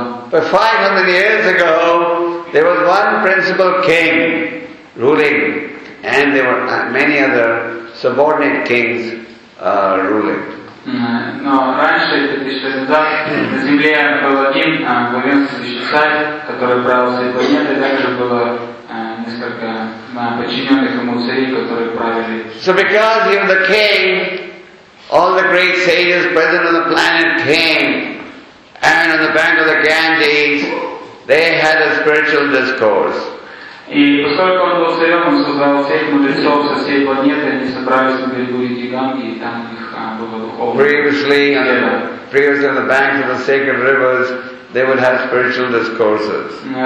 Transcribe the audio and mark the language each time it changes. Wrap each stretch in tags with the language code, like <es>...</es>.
<en>But 500 years ago, there was one principal king ruling, and there were many other subordinate kings ruling.</en> <ru>Но раньше, 5000 лет назад, на Земле был один главенствующий царь, который правил всей планетой, также было несколько подчиненных ему царей, которые правили.</ru> <en>So because he was the king, all the great sages present on the planet came, and on the bank of the Ganges, they had a spiritual discourse.</en> <ru>И поскольку он был царем, он создал всех мудрецов со всей планеты, они собрались на берегу реки Ганги, и там</ru> <en>previously on the, banks of the sacred rivers, they would have spiritual discourses.</en>